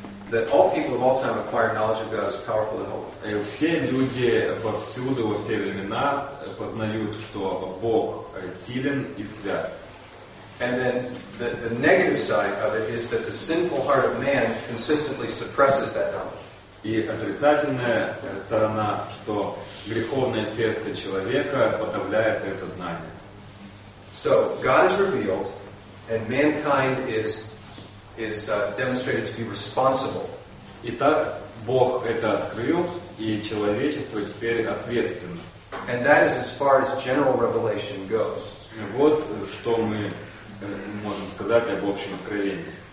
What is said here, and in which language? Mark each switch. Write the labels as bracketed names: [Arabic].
[English] That all people of all time acquire knowledge of God as powerful and holy. [Russian] И все люди повсюду во все времена познают, что Бог силен и свят. [English] And then the negative side of it is that the sinful heart of man consistently suppresses that knowledge. [Russian] И отрицательная сторона, что греховное сердце человека подавляет это знание. [English] So God is revealed, and mankind is demonstrated to be responsible. [Russian] Итак, Бог это открыл, и человечество теперь ответственно. [English] And that is as far as general revelation goes. [Russian] И вот что мы можем сказать об общем откровении.